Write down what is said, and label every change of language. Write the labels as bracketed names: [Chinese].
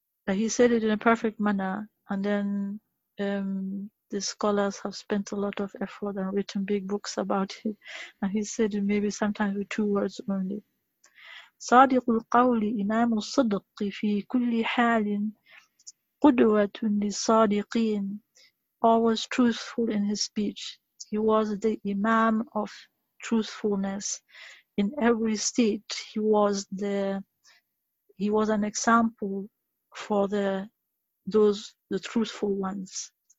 [English] He said it in a perfect manner, and then the scholars have spent a lot of effort and written big books about it. And he said it maybe sometimes with two words only. [Arabic] صادق القول إمام الصدق في كل حال قدوة للصادقين. [English] Always truthful in his speech. He was the Imam of truthfulness. In every state, he was an example for the truthful ones.